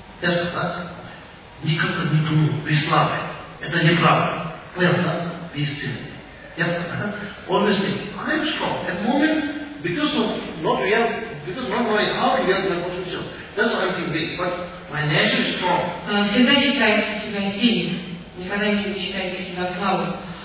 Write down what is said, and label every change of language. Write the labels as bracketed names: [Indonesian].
[Russian] Я сказал, никогда не думал, вы слабы, это неправда. Понятно? Вы сильны. Я [English] always think, I am strong. At moment, because of not real, because not knowing how real my potential, that's why I think big, but my nature is strong. [Russian] Всегда считайте себя сильным, никогда не считайте себя слабым.